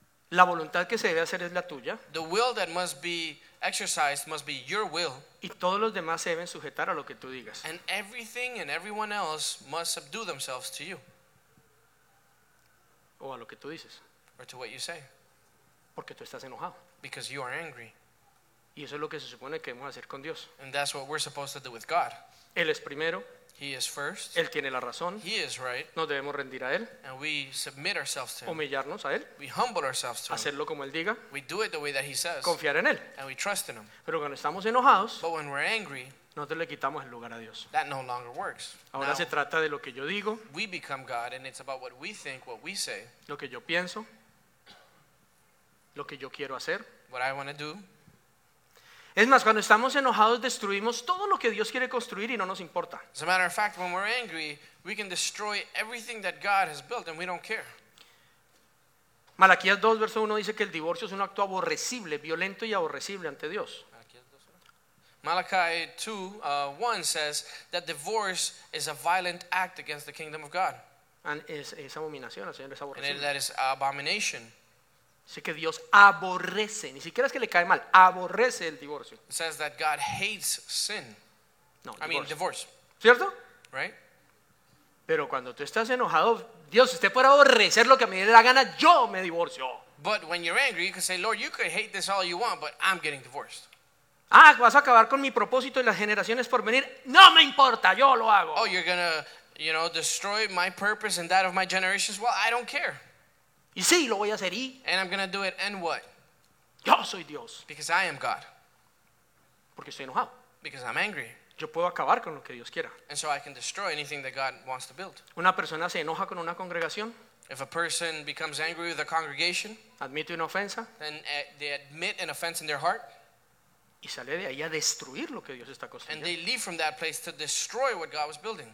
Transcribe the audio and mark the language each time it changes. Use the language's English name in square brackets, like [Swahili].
[Spanish] La voluntad que se debe hacer es la tuya. [English] The will that must be exercised must be your will. [Spanish] Y todos los demás se deben sujetar a lo que tú digas. [English] And everything and everyone else must subdue themselves to you. [Spanish] O a lo que tú dices. [English] Or to what you say. [Spanish] Porque tú estás enojado. [English] Because you are angry. [Spanish] Y eso es lo que se supone que debemos hacer con Dios. [English] And that's what we're supposed to do with God. [Spanish] Él es primero. [English] He is first. [Spanish] Él tiene la razón. [English] He is right. [Spanish] Nos debemos rendir a él. [English] And we submit ourselves to him. [Spanish] Humillarnos a él. [English] We humble ourselves to [Spanish] hacerlo [English] him. [Spanish] Como él diga. [English] We do it the way that he says. [Spanish] Confiar en él. [English] And we trust in him. [Spanish] Pero cuando estamos enojados, [English] but when we're angry, [Spanish] nosotros le quitamos el lugar a Dios. [English] That no longer works. [Spanish] Ahora [English] now, [Spanish] se trata de lo que yo digo. [English] We become God, and it's about what we think, what we say. [Spanish] Lo que yo pienso, lo que yo quiero hacer. [English] What I want to do. [Spanish] Es más, cuando estamos enojados, destruimos todo lo que Dios quiere construir y no nos importa. [English] As a matter of fact, when we're angry, we can destroy everything that God has built and we don't care. [Spanish] Malaquías 2, verso 1 dice que el divorcio es un acto aborrecible, violento y aborrecible ante Dios. [English] Malachi 2, 1 says that divorce is a violent act against the kingdom of God. [Spanish] And es abominación, Señor, es aborrecible. [English] And that is abomination. [Spanish] Dice que Dios aborrece, ni siquiera es que le cae mal, aborrece el divorcio. [English] It says that God hates sin. [Spanish] No, [English] I mean divorce. [Spanish] ¿Cierto? [English] Right? [Spanish] Pero cuando tú estás enojado, Dios, usted puede aborrecer lo que a mí le dé la gana, yo me divorcio. [English] But when you're angry, you can say, Lord, you could hate this all you want, but I'm getting divorced. [Spanish] Ah, vas a acabar con mi propósito y las generaciones por venir. No me importa, yo lo hago. [English] Oh, you're going to, you know, destroy my purpose and that of my generations. Well, I don't care. [Spanish] Y sí, lo voy a hacer y... [English] And I'm going to do it, and what? [Spanish] Yo soy Dios. [English] Because I am God. [Spanish] Porque estoy enojado. [English] Because I'm angry. [Spanish] Yo puedo acabar con lo que Dios quiera. [English] And so I can destroy anything that God wants to build. [Spanish] Una persona se enoja con una congregación. [English] If a person becomes angry with a congregation. [Spanish] Admite una ofensa. [English] Then they admit an offense in their heart. [Spanish] Y sale de ahí a destruir lo que Dios está construyendo. [English] And they leave from that place to destroy what God was building.